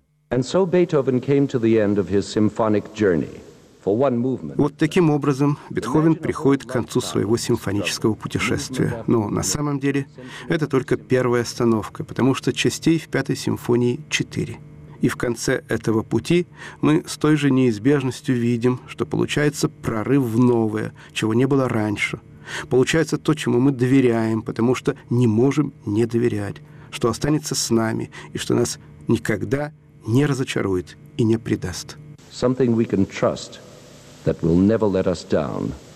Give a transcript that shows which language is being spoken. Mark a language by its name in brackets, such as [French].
[English] And so Beethoven came to the end of his symphonic journey for one movement. [Russian] Вот таким образом Бетховен приходит к концу своего симфонического путешествия. Но на самом деле это только первая остановка, потому что частей в Пятой симфонии четыре. И в конце этого пути мы с той же неизбежностью видим, что получается прорыв в новое, чего не было раньше. Получается то, чему мы доверяем, потому что не можем не доверять, что останется с нами и что нас никогда не разочарует и не предаст. [English] Something we can trust that will never let us down.